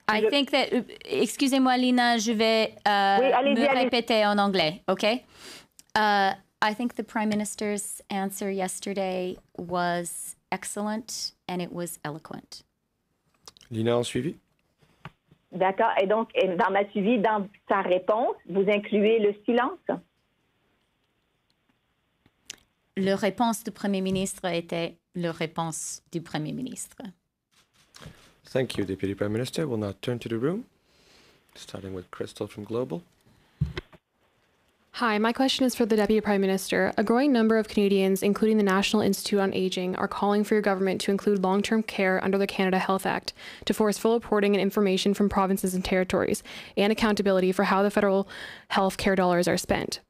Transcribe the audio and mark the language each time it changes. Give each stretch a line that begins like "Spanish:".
French: Excusez-moi, Lina, je vais répéter en anglais, OK?
English: I think the Prime Minister's answer yesterday was excellent and it was eloquent.
French: Lina, en suivi. D'accord. Et donc, dans ma suivi, dans sa réponse, vous incluez le silence? La réponse du Premier ministre était la réponse du Premier ministre.
English: Thank you, Deputy Prime Minister. We'll now turn to the room, starting with Crystal from Global. Hi, my question is for the Deputy Prime Minister. A growing number of Canadians, including the National Institute on Aging, are calling for your government to include long-term care under the Canada Health Act to force full reporting and information from provinces and territories and accountability for how the federal health care dollars are spent.